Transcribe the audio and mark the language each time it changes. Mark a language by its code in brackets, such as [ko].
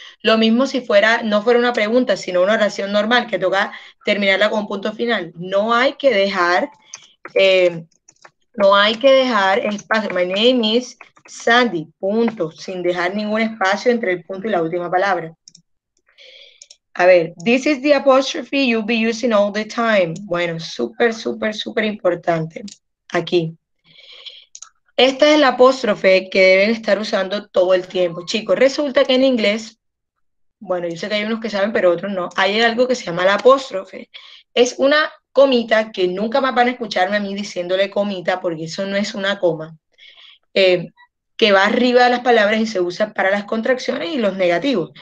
[es] Lo mismo si fuera, no fuera una pregunta, sino una oración normal, que toca terminarla con un punto final. No hay que dejar, espacio. [en] My name is Sandy, [es] punto, sin dejar ningún espacio entre el punto y la última palabra. A ver, [en] this is the apostrophe you'll be using all the time. [es] Bueno, súper, súper, súper importante. Aquí. Esta es la apóstrofe que deben estar usando todo el tiempo. Chicos, resulta que en inglés, bueno, yo sé que hay unos que saben, pero otros no, hay algo que se llama la apóstrofe. Es una comita que nunca más van a escucharme a mí diciéndole comita, porque eso no es una coma, que va arriba de las palabras y se usa para las contracciones y los negativos.